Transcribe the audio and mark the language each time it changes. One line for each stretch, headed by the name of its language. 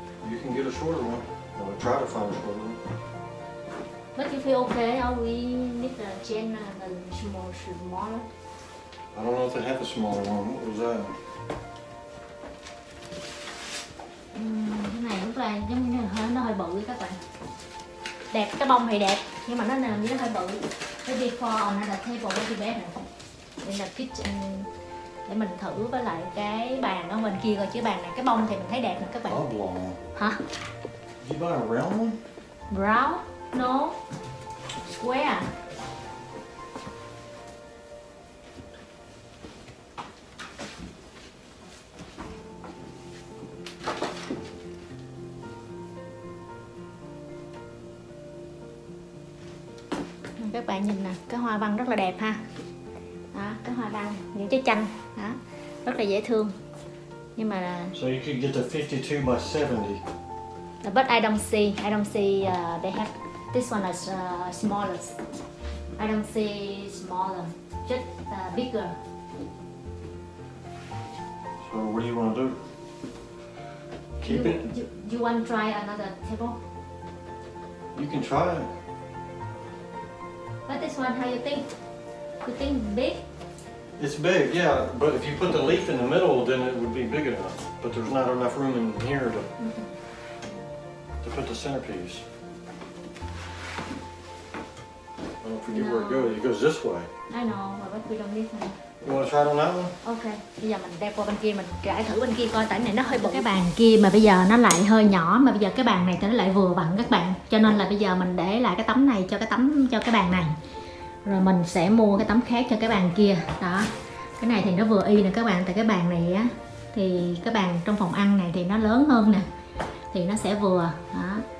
English: You can get a shorter one. I'll try to find a shorter one. But if you're okay, we need a chain and a smaller. I don't know if they have a smaller one. What was that?
Vietnamese: Cái này lúc này giống như nó hơi bự các bạn. Đẹp, cái bông thì đẹp nhưng mà nó làm như nó hơi bự. Cái
English: before on the table with the bed
Vietnamese: này. Đây là kitchen để mình thử với lại cái bàn ở bên kia coi, chứ bàn này cái bông thì mình thấy đẹp nè các bạn.
English: Oblong. Hả? Did you buy a round one? Round? No. Square.
Vietnamese: Các bạn nhìn nè, cái hoa văn rất là đẹp ha. Đó, cái hoa văn những trái chanh đó, rất là dễ thương. Nhưng mà
English: so you can get the 52 by 70. But I don't see they have this one as smallest. I don't see smaller, just bigger. So what do you want to do? Keep it? You want to try another table? You can try it. But this one, how you think? You think big? It's big, yeah. But if you put the leaf in the middle, then it would be big enough. But there's not enough room in here to to put the centerpiece. I don't forget where it goes. It goes this way. I know, but we don't need that. You want to try it on that one? Okay.
Vietnamese: Bây giờ mình đeo qua bên kia, mình trải thử bên kia coi, tại này nó hơi bự. Cái bàn kia mà bây giờ nó lại hơi nhỏ, mà bây giờ cái bàn này thì nó lại vừa vặn các bạn. Cho nên là bây giờ mình để lại cái tấm này cho cái tấm, cho cái bàn này. Rồi mình sẽ mua cái tấm khác cho cái bàn kia. Đó. Cái này thì nó vừa y nè các bạn. Tại cái bàn này á, thì cái bàn trong phòng ăn này thì nó lớn hơn nè, thì nó sẽ vừa. Đó.